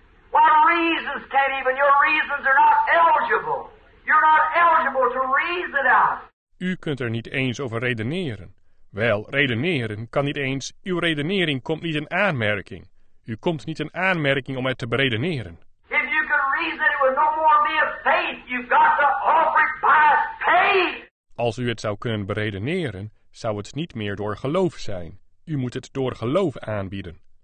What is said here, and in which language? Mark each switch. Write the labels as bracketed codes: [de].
[en] What reasons can't even, your reasons are not eligible. You're not eligible to reason out. [nl] U kunt er niet eens over redeneren. Wel, redeneren kan niet eens, uw redenering komt niet in aanmerking. U komt niet in aanmerking om het te beredeneren. [en] If you can reason, it would no more be a faith. You've got to offer it by faith. [nl] Als u het zou kunnen beredeneren, zou het niet meer door geloof zijn. U moet het door geloof aanbieden.